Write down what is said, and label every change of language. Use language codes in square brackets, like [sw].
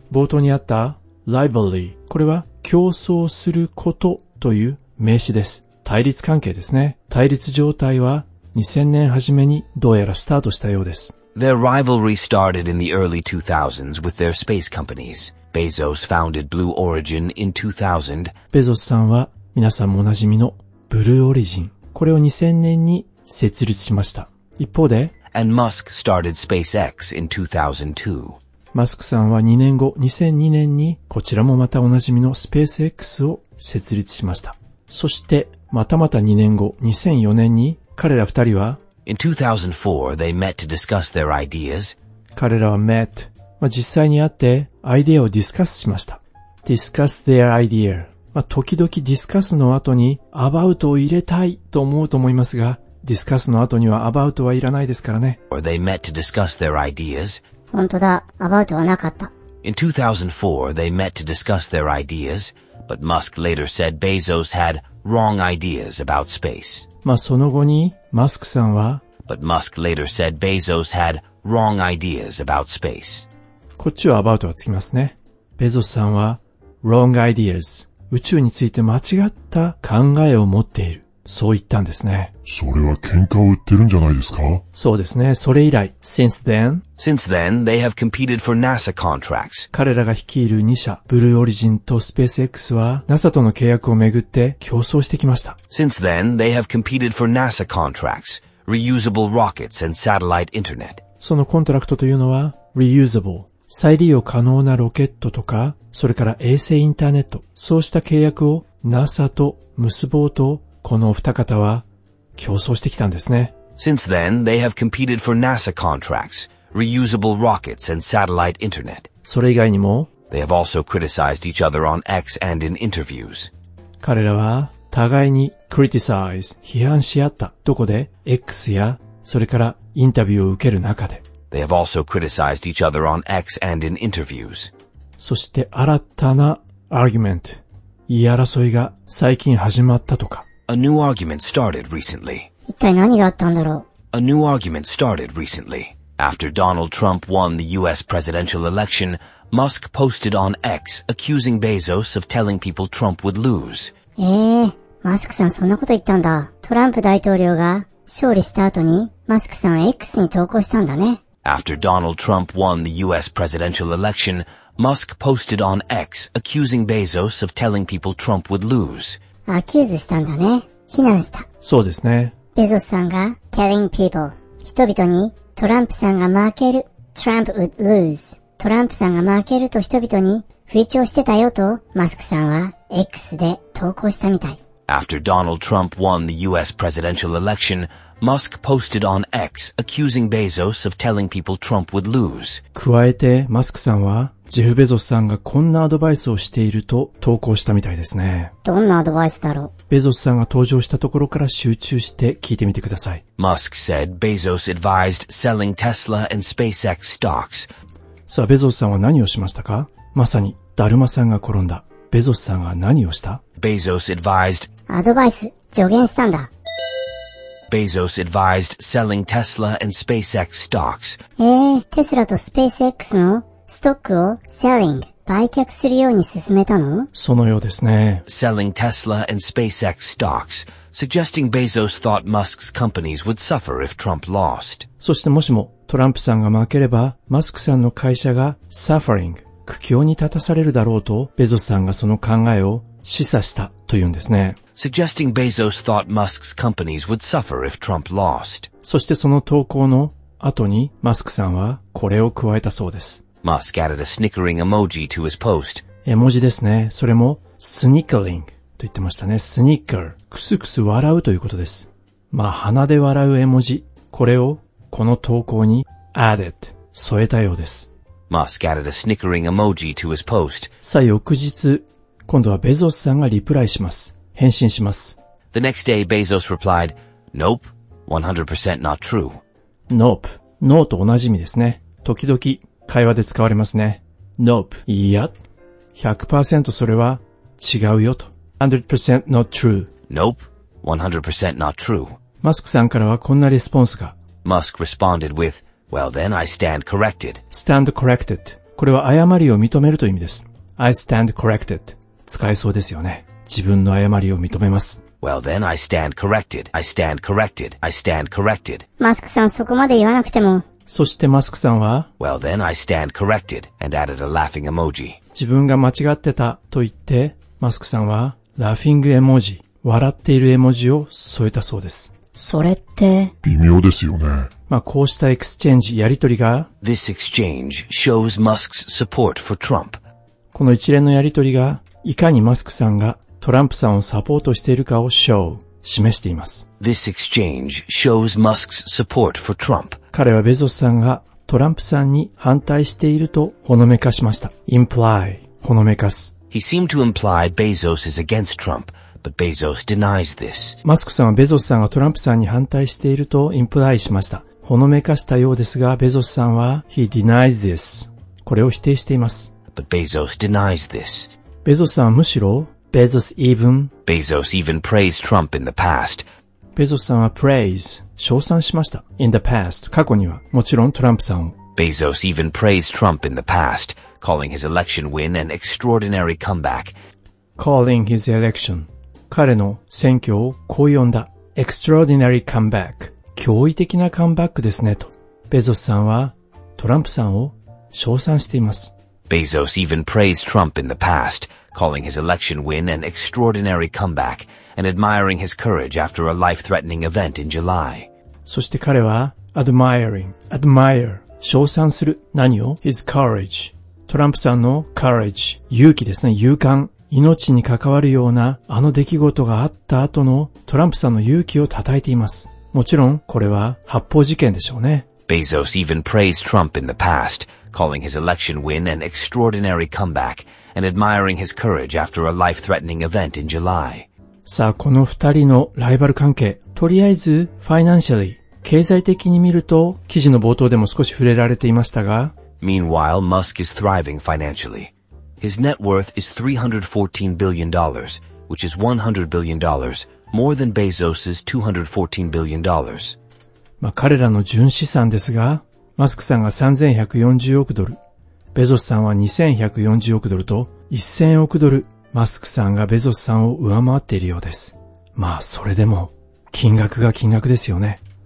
[ja] 冒頭にあった rivalry、 これは競争することという名詞です。対立関係ですね。対立状態は2000年初めにどうやらスタートしたようです。 [en] Their rivalry started in the early 2000s with their space companies. Bezos founded Blue Origin in 2000. [ja] ベゾスさんは皆さんもおなじみのブルーオリジン、これを2000年に設立しました。一方で、 [en] And Musk started SpaceX in 2002. [ja] マスクさんは2年後、2002年にこちらもまたおなじみの SpaceX を設立しました。そして、またまた2年後、2004年に彼ら2人は、 [en] In 2004, they met to discuss their ideas. [ja] 彼らは met、まあ、実際に会ってアイデアをディスカスしました。 [en] Discuss their idea. [ja] まあ、時々ディスカスの後に about を入れたいと思うと思いますが、ディスカスの後には about はいらないですからね。 [en] Or they met to discuss their ideas. [ja] 本当だ、about はなかった。 [en] In 2004, they met to discuss their ideas, but Musk later said Bezos had wrong ideas about space. [ja] まあその後に、マスクさんは、 [en] But Musk later said Bezos had wrong ideas about space. [ja] こっちは about はつきますね。ベゾスさんは、 [en] wrong ideas。 [ja] 宇宙について間違った考えを持っている。そう言ったんですね。それは喧嘩を売ってるんじゃないですか？そうですね。それ以来、 [en] since then。 Since then, they have competed for NASA contracts. [ja] 彼らが率いる2社、ブルーオリジンとスペース X は、NASA との契約をめぐって競争してきました。 [en] Since then, they have competed for NASA contracts. Reusable rockets and satellite internet. [ja] そのコントラクトというのは、reusable。再利用可能なロケットとか、それから衛星インターネット、そうした契約を NASA と結ぼうと、このお二方は競争してきたんですね。 [en] Since then, they have competed for NASA contracts, reusable rockets and satellite internet. [ja] それ以外にも、 [en] They have also criticized each other on X and in interviews. [ja] 彼らは互いに criticize、批判し合った。どこで？ X や、それからインタビューを受ける中で。 [en] They have also criticized each other on X and in interviews. [ja] そして新たな argument、 言い争いが最近始まったとか。 [en] A new argument started recently. [ja] 一体何があったんだろう。 [en] A new argument started recently. After Donald Trump won the US presidential election, Musk posted on X accusing Bezos of telling people Trump would lose. [ja] マスクさんそんなこと言ったんだ。トランプ大統領が勝利した後にマスクさんは X に投稿したんだね。 [en] After Donald Trump won the US presidential election, Musk posted on X accusing Bezos of telling people Trump would lose. [ja] アキューズしたんだね。非難した。そうですね。ベゾスさんが [en] telling people、 [ja] 人々にトランプさんが負ける、 [en] Trump would lose、 [ja] トランプさんが負けると人々に不意調してたよとマスクさんは X で投稿したみたい。 [en] After Donald Trump won the US presidential election, Musk posted on X, accusing Bezos of telling people Trump would lose. [ja] 加えて、マスクさんは、ジェフ・ベゾスさんがこんなアドバイスをしていると投稿したみたいですね。どんなアドバイスだろう？ベゾスさんが登場したところから集中して聞いてみてください。 [en] Musk said Bezos advised selling Tesla and SpaceX stocks. [ja] さあ、ベゾスさんは何をしましたか？まさに、だるまさんが転んだ。ベゾスさんが何をした？ [en] Bezos advised [ja] アドバイス、助言したんだ。 [en] Bezos advised selling Tesla and SpaceX stocks. [ja] Tesla と SpaceX のストックを selling 売却するように進めたの？そのようですね。 [en] Selling Tesla and SpaceX stocks, suggesting Bezos thought Musk's companies would suffer if Trump lost. [ja] そしてもしもトランプさんが負ければ、マスクさんの会社が suffering 苦境に立たされるだろうと、ベゾスさんがその考えを示唆したというんですね。 [en] Suggesting Bezos thought Musk's companies would suffer if Trump lost. [ja] そしてその投稿の後にマスクさんはこれを加えたそうです。 [en] Musk added a snickering emoji to his post. [ja] 絵文字ですね。それも snickering と言ってましたね。snicker くすくす笑うということです。まあ鼻で笑う絵文字。これをこの投稿に added 添えたようです。 [en] Musk added a snickering emoji to his post. [ja] さあ翌日、今度はベゾスさんがリプライします。返信します。 [en] The next day, Bezos replied, Nope, 100% not true. [ja] Nope, no と同じ意味ですね。時々会話で使われますね。 Nope, いや、100% それは違うよと。 [en] 100% not true. Nope, 100% not true. [ja] マスクさんからはこんなレスポンスが。 [en] Musk responded with, Well then, I stand corrected. Stand corrected. [ja] これは誤りを認めるという意味です。 [en] I stand corrected. [ja] 使えそうですよね。自分の誤りを認めます。 [en] Well then, I stand corrected. I stand corrected. I stand corrected. [ja] マスクさんそこまで言わなくても。そしてマスクさんは、 [en] Well then, I stand corrected and added a laughing emoji. [ja] 自分が間違ってたと言って、マスクさんは、 [en] laughing emoji、 [ja] 笑っている絵文字を添えたそうです。それって、微妙ですよね。まあこうしたエクスチェンジ、やりとりが、 [en] This exchange shows Musk's support for Trump. [ja] この一連のやりとりが、いかにマスクさんがトランプさんをサポートしているかを show 示しています。 [en] This exchange shows Musk's support for Trump. [ja] 彼はベゾスさんがトランプさんに反対しているとほのめかしました。 imply ほのめかす。 [en] He seemed to imply Bezos is against Trump, but Bezos denies this. [ja] マスクさんはベゾスさんがトランプさんに反対していると imply しました。ほのめかしたようですが、ベゾスさんは [en] he denies this. [ja] これを否定しています。 [en] But Bezos denies this. [ja] ベゾスさんはむしろ、 [en] Bezos even praised Trump in the past. [ja] ベゾスさんは praise、称賛しました。 [en] in the past、 [ja] 過去には、もちろんトランプさんを。 [en] Bezos even praised Trump in the past, calling his election win an extraordinary comeback. Calling his election. [ja] 彼の選挙をこう呼んだ。 [en] extraordinary comeback。 [ja] 驚異的なカムバックですね、と。ベゾスさんは、トランプさんを称賛しています。 [en] Bezos even praised Trump in the past, calling his election win an extraordinary comeback and admiring his courage after a life-threatening event in July. [ja] そして彼は admire, 称賛する何を [en] his courage, [ja] トランプさんの courage, 勇気ですね、勇敢、命に関わるようなあの出来事があった後のトランプさんの勇気を称えています。もちろんこれは発砲事件でしょうね。 [en] Bezos even praised Trump in the past, calling his election win an extraordinary comeback and admiring his courage after a life-threatening event in July. [ja] さあ、この二人のライバル関係、とりあえず financially 経済的に見ると、記事の冒頭でも少し触れられていましたが、 [en] Meanwhile, Musk is thriving financially. His net worth is $314 billion, which is $100 billion, more than Bezos's $214 billion. [ja] まあ、彼らの純資産ですが、マスクさんが3140億ドル、ベゾスさんは2140億ドルと1000億ドル、マスクさんがベゾスさんを上回っているようです。まあ、それでも、金額が金額ですよね。